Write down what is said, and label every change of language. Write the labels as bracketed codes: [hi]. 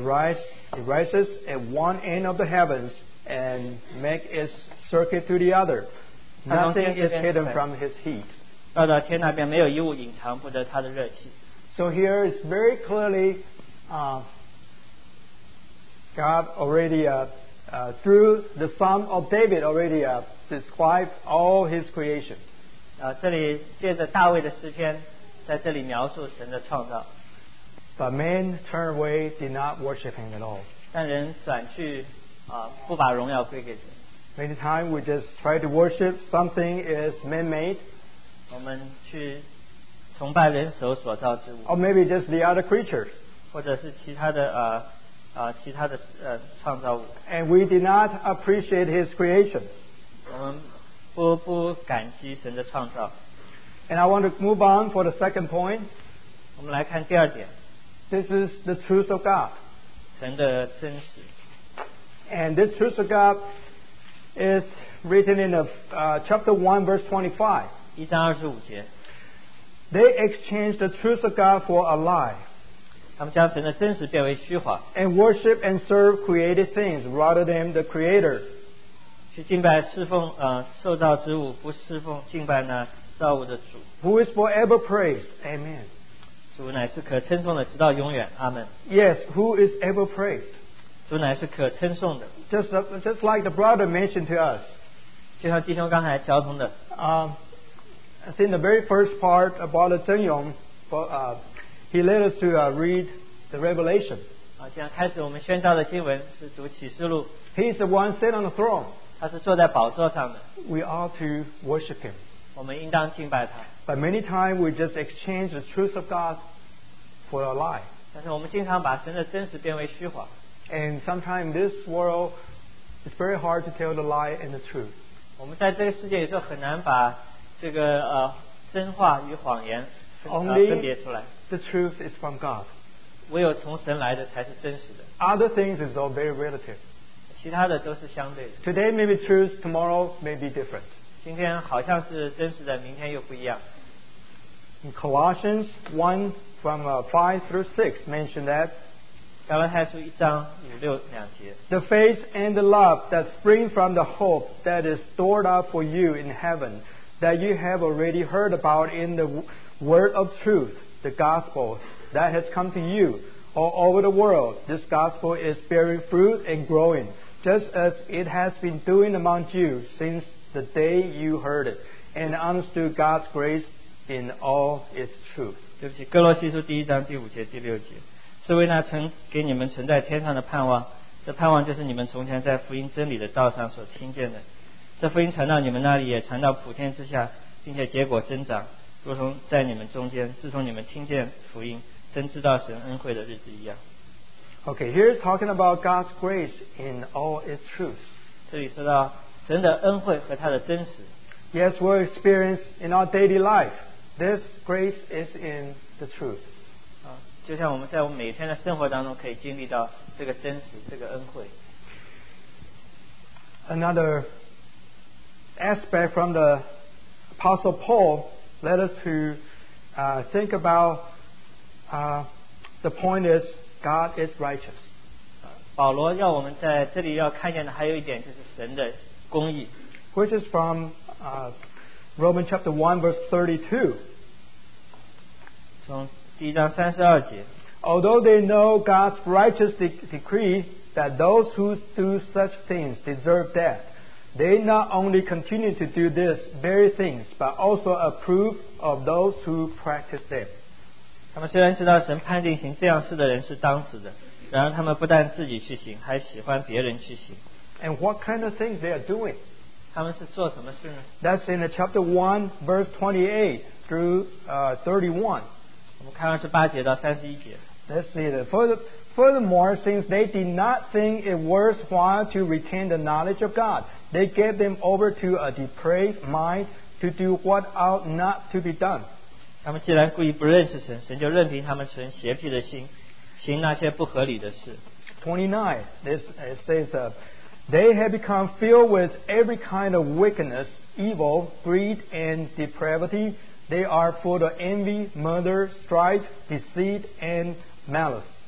[en] it rises at one end of the heavens and make its circuit to the other. Nothing is hidden from his heat. [zh] 到天那边没有一物隐藏不得他的热气. [en] So here is very clearly God already, through the Psalm of David, already described all his creation. [zh] 这里借着大卫的诗篇在这里描述神的创造. [en] But men turned away, did not worship him at all. [zh] 但人转去, [en] many times we just try to worship something is man-made, or maybe just the other creatures, [zh] 或者是其他的, [en] and we did not appreciate his creation. [zh] 我们不感激神的创造. [en] And I want to move on for the second point. [zh] 我们来看第二点. [en] This is the truth of God. [zh] 神的真实. [en] And this truth of God is written in chapter 1, verse 25. [zh] 一章25节. [en] They exchanged the truth of God for a lie. [zh] 他们将神的真实变为虚华, [en] and worship and serve created things rather than the Creator. [zh] 去敬拜侍奉, 受造之物, 不侍奉敬拜那造物的主, [en] who is forever praised. Amen. [zh] 主乃是可称颂的直到永远, Amen. [en] Yes, who is ever praised? [zh] 主乃是可称颂的. [en] Just like the brother mentioned to us, [zh] 就像弟兄刚才交通的, [en] I think the very first part about the 真容, he led us to read the Revelation. He is the one sitting on the throne. [zh] 他是坐在宝座上的. [en] We are to worship him. [zh] 我们应当敬拜他. [en] But many times we just exchange the truth of God for a lie. [zh] 但是我们经常把神的真实变为虚华. [en] And sometimes in this world, it's very hard to tell the lie and the truth. [zh] 我们在这个世界也是很难把这个, [en] the truth is from God. [zh] 唯有从神来的才是真实的. [en] Other things is all very relative. [zh] 其他的都是相对的. [en] Today may be truth, tomorrow may be different. [zh] 今天好像是真实的, 明天又不一样. [en] In Colossians 1 from 5 through 6 mentioned that [zh] 加拉太书1章5-6两节, [en] the faith and the love that spring from the hope that is stored up for you in heaven, that you have already heard about in the word of truth, the gospel that has come to you all over the world. This gospel is bearing fruit and growing, just as it has been doing among you since the day you heard it and understood God's grace in all its truth. [zh] 对不起,哥罗西书第一章第五节第六节, 是为那曾给你们存在天上的盼望, 这盼望就是你们从前在福音真理的道上所听见的，这福音传到你们那里，也传到普天之下，并且结果增长，如同在你们中间，自从你们听见福音，真知道神恩惠的日子一样。 [en] Okay, here's talking about God's grace in all its truth. [zh] 这里说到神的恩惠和他的真实。 [en] Yes, we'll experience in our daily life. This grace is in the truth. [zh] 就像我们在我们每天的生活当中可以经历到这个真实，这个恩惠。 [en] Another aspect from the Apostle Paul led us to think about the point is God is righteous. [zh] 保罗要我们在这里要看见的还有一点就是神的公义。 [en] Which is from Romans chapter 1 verse 32. [zh] 从第一章三十二节。 [en] Although they know God's righteous decree that those who do such things deserve death, they not only continue to do this very things, but also approve of those who practice them. [zh] 他们虽然知道神判定行这样事的人是当死的，然而他们不但自己去行，还喜欢别人去行。 [en] And what kind of things they are doing? [zh] 他们是做什么事呢？ [en] That's in chapter 1, verse 28 through 31. [zh] 我们看二十八节到三十一节。 [en] Let's see that. Furthermore, since they did not think it worthwhile to retain the knowledge of God, they gave them over to a depraved mind to do what ought not to be done. [zh] 他们既然故意不认识神，神就任凭他们存邪僻的心，行那些不合理的事。 [en] 29. This says, they have become filled with every kind of wickedness, evil, greed, and depravity. They are full of envy, murder, strife, deceit, and malice.